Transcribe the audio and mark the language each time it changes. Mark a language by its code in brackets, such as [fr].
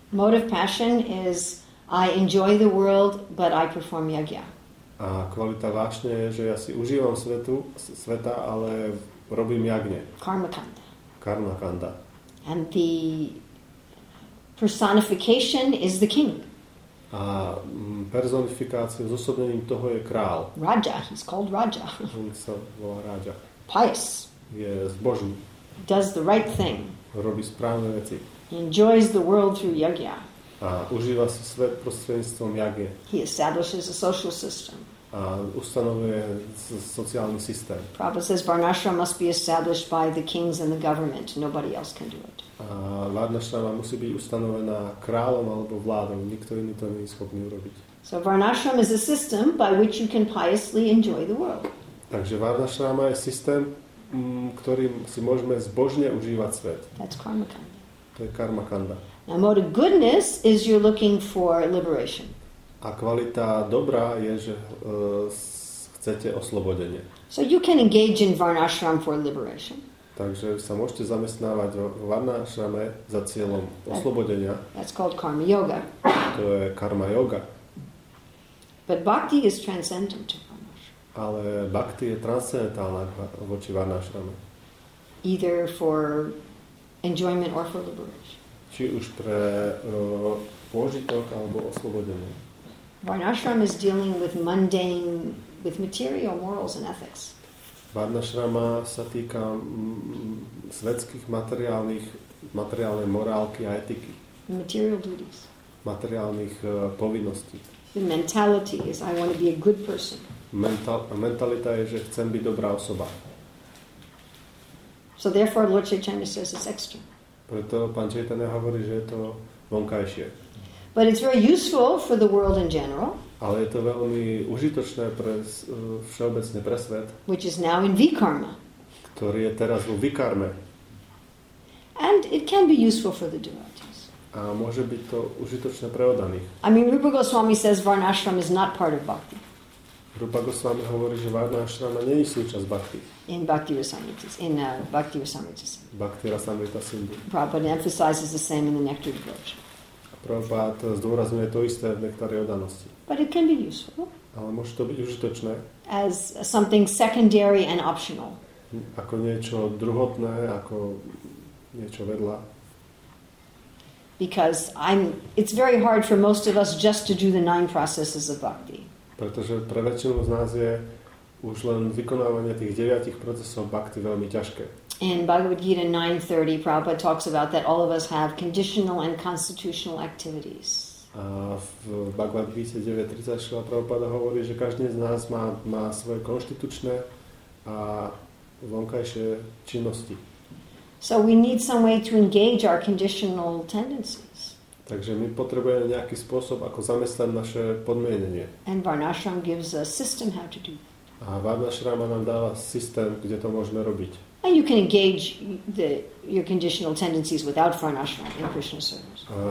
[en] Mode of passion is I enjoy the world, but I perform yagya. [sk] A kvalita vášne je, že ja si užívam sveta, ale robím jagne. [en] Karmakanda. And the personification is the king. [sk] A personifikáciou, zosobnením toho je král. [en] Raja, he's called Raja. [sk] On sa volá Raja. [en] Pious. [sk] Je zbožný. [en] Does the right thing. [sk] Robí správne veci. [en] He enjoys the world through yagya. [sk] A užíva si svet prostredníctvom yagya. [en] He establishes a social system. [sk] A ustanovuje sociálny systém. [en] Prabhupada says Varnashrama must be established by the kings and the government. Nobody else can do it. [sk] A Varnashrama musí byť ustanovená kráľom alebo vládou. Nikto iný to nie je schopný urobiť. [en] So Varnashrama is a system by which you can piously enjoy the world. [sk] Takže Varnashrama je systém, ktorým si môžeme zbožne užívať svet. [en] That's karmakanda. [sk] To je karmakanda. [en] Now mode of goodness is you're looking for liberation. [sk] A kvalita dobrá je, že chcete oslobodenie. [en] So you can engage in Varnashram for liberation. [sk] Takže sa môžete zamestnávať v Varnashrame za cieľom oslobodenia. [en] That's called karma yoga. [sk] To je karma yoga. [en] But bhakti is transcendent to Varnashram. [sk] Ale bhakti je transcendentálna voči Varnashrame. [en] Either for enjoyment or for liberation. [sk] Či už pre pôžitok alebo oslobodenie. [en] Varnashram is dealing with mundane, with material morals and ethics. [sk] Varnashrama sa týka svetských materiálnej morálky a etiky. [en] Material duties. [sk] Materiálnych povinností. [en] The mentality is I want to be a good person. [sk] Mentalita je, že chcem byť dobrá osoba. [en] So therefore Lord Chaitanya says it's external. [sk] Preto pán Chaitanya hovorí, že je to vonkajšie. [en] But it's very useful for the world in general. [sk] Ale je to veľmi užitočné pre všeobecne pre svet. [en] Which is now in vikarma. [sk] Ktorý je teraz vo vikarme. [en] And it can be useful for the devotees. [sk] A môže byť to užitočné pre oddaných. [en] I mean, Rupa Goswami says Varnashram is not part of bhakti. [sk] Rupa Goswami hovorí, že Varnashrama nie je súčasť bhakti. [en] In Bhakti Rasamrita, in Bhakti Rasamrita. Bhakti Rasamrita Sindhu. Prabhupada emphasizes the same in the Nectar Devotion. [sk] Prabhupád zdôrazňuje to isté v Nektáre oddanosti. [en] But it can be useful. [sk] Ale môže to byť užitočné. [en] As something secondary and optional. [sk] Ako niečo druhotné, ako niečo vedľa. [en] Because it's very hard for most of us just to do the nine processes of bhakti. [sk] Pretože pre väčšinu z nás je už len vykonávanie tých deviatich procesov bhakti veľmi ťažké. [en] In Bhagavad Gita 9:30, Prabhupada talks about that all of us have conditional and constitutional activities. [sk] A v Bhagavad Gita 9:30 Prabhupada hovorí, že každý z nás má svoje konštitučné a vonkajšie činnosti. [en] So we need some way to engage our conditional tendencies. [sk] Takže my potrebujeme nejaký spôsob, ako zamestnať naše podmienenie. [en] And Varnashram gives a system how to do that. [sk] A Varnashrama nám dáva systém, kde to môžeme robiť. [en] And you can engage your conditional tendencies without Varnashrama in Krishna service.